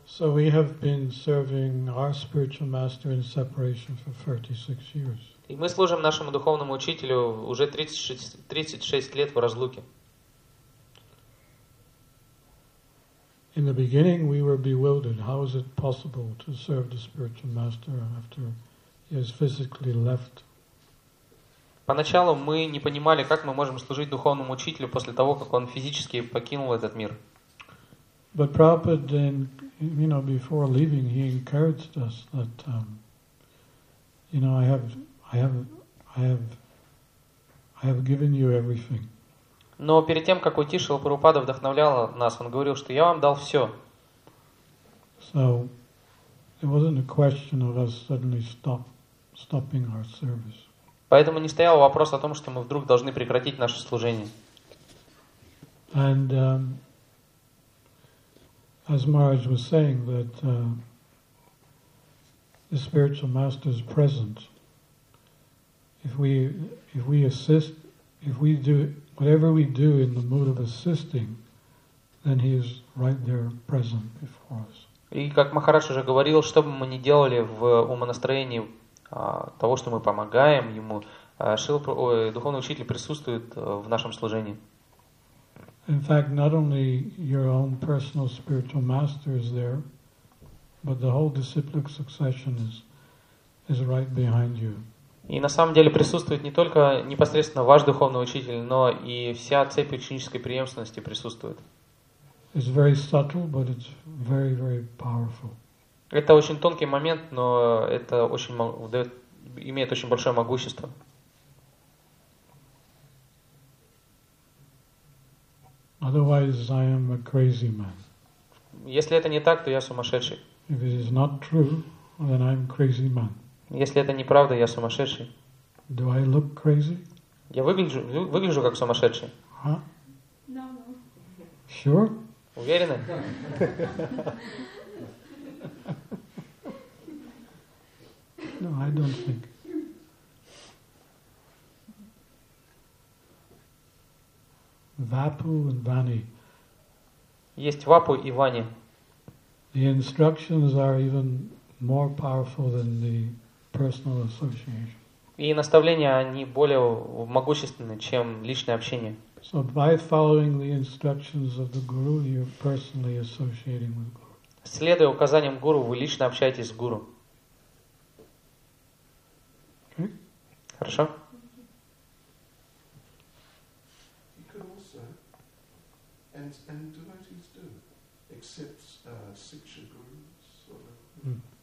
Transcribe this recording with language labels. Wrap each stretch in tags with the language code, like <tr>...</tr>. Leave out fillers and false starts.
<en>So we have been serving our spiritual master in separation for 36 years.</en> <ru>И мы служим нашему духовному учителю уже 36 лет в разлуке.</ru> <en>In the beginning we were bewildered. How is it possible to serve the spiritual master after he has physically left?</en> <ru>Поначалу мы не понимали, как мы можем служить духовному учителю после того, как он физически покинул этот мир.</ru> <en>But Prabhupada then, before leaving, he encouraged us that, I have given you everything.</en> <ru>Но перед тем, как уйти, Шрила Прабхупада вдохновлял нас. Он говорил, что я вам дал все.</ru> <en>So it wasn't a question of us suddenly stopping our service.</en> <ru>Поэтому не стоял вопрос о том, что мы вдруг должны прекратить наше служение.</ru> <en>And as Maharaj was saying that the spiritual master is present. If we assist, if we do whatever we do in the mood of assisting, then he is right there present before us.</en> <ru>И как Махарадж уже говорил, что бы мы ни делали в умонастроении того, что мы помогаем ему, духовный учитель присутствует в нашем служении.</ru> <en>In fact, not only your own personal spiritual master is there, But the whole disciplic succession is right behind you.</en> <ru>И на самом деле присутствует не только непосредственно ваш духовный учитель, но и вся цепь ученической преемственности присутствует.</ru> <en>It's very subtle, but it's very, very powerful.</en> <ru>Это очень тонкий момент, но это имеет очень большое могущество.</ru> <en>Otherwise, I am a crazy man.</en> <ru>Если это не так, то я сумасшедший.</ru> <en>If it is not true, then I'm a crazy man.</en> <ru>Если это неправда, я сумасшедший.</ru> <en>Do I look crazy?</en> <ru>Я выгляжу как сумасшедший. Huh?</ru> <en>No. Sure?</en> <ru>Уверены?</ru> <en>No, I don't think. Vapu and Vani.</en> <ru>Есть Вапу и Вани.</ru> <en>The instructions are even more powerful than the personal association.</en> <ru>И наставления, они более могущественны, чем личное общение.</ru> <en>So by following the instructions of the guru, you're personally associating with guru.</en> <ru>Следуя указаниям гуру, вы лично общаетесь с гуру.</ru> <en>Okay.</en> <ru>Хорошо.</ru> <en>And devotees do accept siksha gurus.</en>